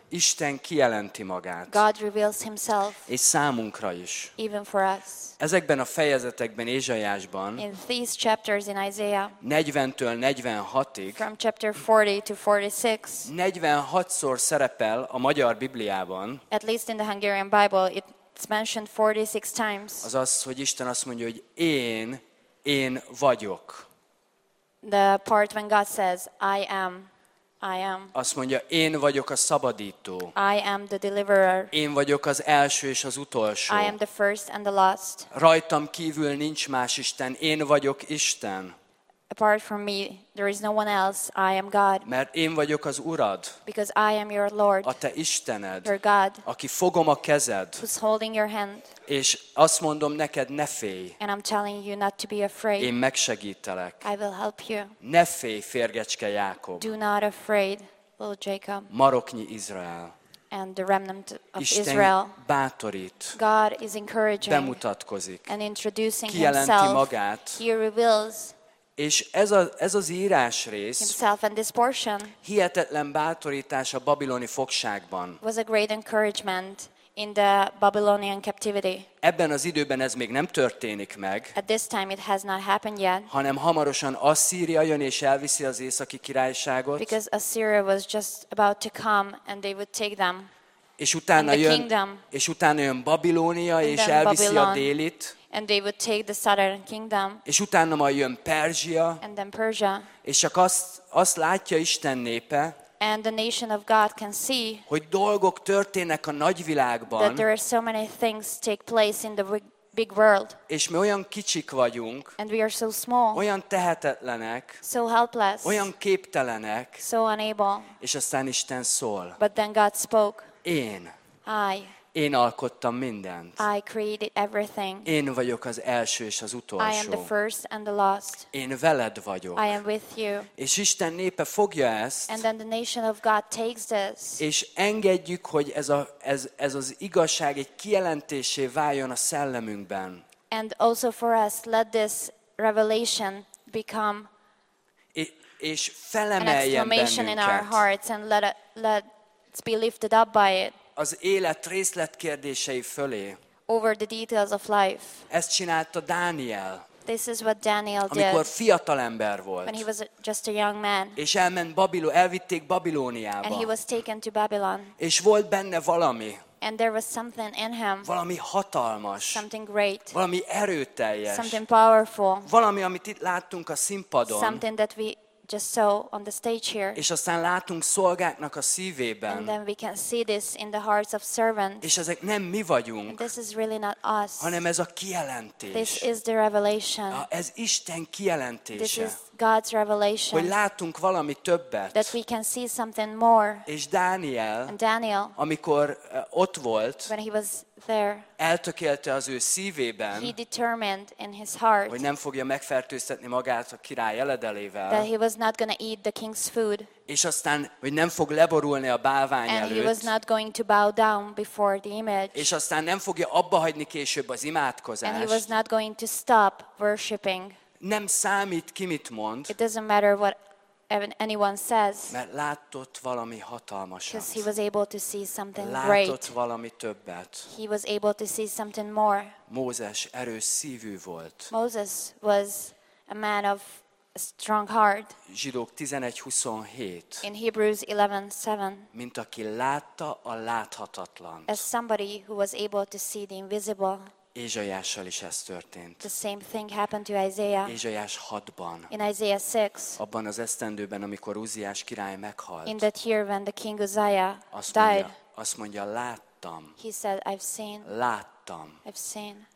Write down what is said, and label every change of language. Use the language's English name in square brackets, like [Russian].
[Hungarian] Isten kijelenti magát, [English] God reveals himself, [Hungarian] és számunkra is, [English] even for us. [Hungarian] Ezekben a fejezetekben, Ézsaiásban, [English] in these chapters in Isaiah, [Hungarian] 40-től 46-ig, [English] from chapter 40 to 46, [Hungarian] 46-szor szerepel a magyar Bibliában, [English] at least in the Hungarian Bible, it's mentioned 46 times, [Hungarian] azaz, hogy Isten azt mondja, hogy én vagyok. [English] The part when God says, I am. I am. [Hungarian] Azt mondja, én vagyok a szabadító. [English] I am the deliverer. [Hungarian] Én vagyok az első és az utolsó. [English] I am the first and the last. [Hungarian] Rajtam kívül nincs más Isten. Én vagyok Isten. [English] Apart from me, there is no one else. I am God. [Hungarian] Mert én vagyok az Urad. [English] Because I am your Lord. [Hungarian] A te Istened. [English] Your God. [Hungarian] Aki fogom a kezed. [English] Who's holding your hand. [Hungarian] És azt mondom neked, ne félj. [English] And I'm telling you not to be afraid. [Hungarian] Én megsegítelek. [English] I will help you. [Hungarian] Ne félj, férgecske Jákob. [English] Do not afraid, little Jacob. [Hungarian] Maroknyi Izrael. [English] And the remnant of [Hungarian] Isten [English] Israel. [Hungarian] Bátorít. [English] God is encouraging. [Hungarian] Bemutatkozik. [English] And introducing [Hungarian] kijelenti [English] himself. [Hungarian] Kijelenti magát. [English] He reveals. [Hungarian] És ez az írásrész [English] himself and this portion [Hungarian] hihetetlen bátorítás a babiloni fogságban. [English] Was a great encouragement in the Babylonian captivity. [Hungarian] Ebben az időben ez még nem történik meg. [English] At this time it has not happened yet. [Hungarian] Hanem hamarosan Asszíria jön és elviszi az északi királyságot. [English] Because Assyria was just about to come and they would take them. [Hungarian] És utána [English] the [Hungarian] jön [English] kingdom. [Hungarian] És utána jön Babilónia és elviszi [English] Babylon. [Hungarian] A délit. [English] And they would take the southern kingdom. [Hungarian] És utána majd jön Perzsia. [English] And then Persia. [Hungarian] És csak azt látja Isten népe. [English] And the nation of God can see. [Hungarian] Hogy dolgok történnek a nagyvilágban. [English] That there are so many things take place in the big world. [Hungarian] És mi olyan kicsik vagyunk. [English] And we are so small. [Hungarian] Olyan tehetetlenek. [English] So helpless. [Hungarian] Olyan képtelenek. [English] So unable. [Hungarian] És aztán Isten szól. [English] But then God spoke. [Hungarian] Én. [English] I. [Hungarian] Én alkottam mindent. [English] I created everything. [Hungarian] Én vagyok az első és az utolsó. [English] I am the first and the last. [Hungarian] Én veled vagyok. [English] I am with you. [Hungarian] És Isten népe fogja ezt. [English] And then the nation of God takes this. [Hungarian] És engedjük, hogy ez az igazság egy kijelentésé váljon a szellemünkben. [English] And also for us, let this revelation become [Hungarian] és felemeljen [English] an exclamation [Hungarian] bennünket. [English] In our hearts and let's be lifted up by it. [Hungarian] Az élet részletkérdései fölé. [English] Over the details of life. [Hungarian] Ezt csinálta Dániel. [English] This is what Daniel did. [Hungarian] Amikor fiatal ember volt. [English] When he was just a young man. [Hungarian] És elment elvitték Babilóniába. [English] And he was taken to Babylon. [Hungarian] És volt benne valami. [English] And there was something in him. [Hungarian] Valami hatalmas. [English] Something great. [Hungarian] Valami erőteljes. [English] Something powerful. [Hungarian] Valami, amit itt láttunk a színpadon. [English] Something that we just so on the stage here. [Hungarian] És aztán látunk szolgáknak a szívében. [English] And then we can see this in the hearts of servants. [Hungarian] És ezek nem mi vagyunk. [English] And this is really not us. [Hungarian] Hanem ez a kijelentés. [English] This is the revelation. [Hungarian] Ez Isten kijelentése. [English] This is God's revelation. [Hungarian] Hogy látunk valami többet. [English] That we can see something more. [Hungarian] És Dániel. [English] And Daniel. [Hungarian] Amikor ott volt. [English] When he was there. [Hungarian] Eltökélte az ő szívében. [English] He determined in his heart. [Hungarian] Hogy nem fogja megfertőztetni magát a király jeledelével. [English] That he was not going to eat the king's food. [Hungarian] És aztán, hogy nem fog leborulni a bálvány [English] and [Hungarian] előtt. [English] And he was not going to bow down before the image. [Hungarian] És aztán nem fogja abbahagyni később az imádkozást. [English] And he was not going to stop worshiping. [Hungarian] Nem számít, ki mit mond. [English] It doesn't matter what anyone says. [Hungarian] Mert látott valami hatalmasat. [English] Because he was able to see something [Hungarian] látott [English] great. [Hungarian] Látott valami többet. [English] He was able to see something more. [Hungarian] Mózes erős szívű volt. [English] Moses was a man of a strong heart. [Hungarian] Zsidók 11:27. [English] In Hebrews 11:7. [Hungarian] Mint aki látta a láthatatlant. [English] As somebody who was able to see the invisible. [Hungarian] Ézsaiással is ez történt. [English] The same thing happened to Isaiah. [Hungarian] Ézsaiás 6-ban. [English] In Isaiah 6. [Hungarian] Abban az esztendőben, amikor Uzziás király meghalt. [English] In that year when the king Uzziah [Hungarian] azt [English] died. [Hungarian] Azt mondja, láttam. [English] He said, I've seen. [Hungarian] Láttam. [English] I've seen.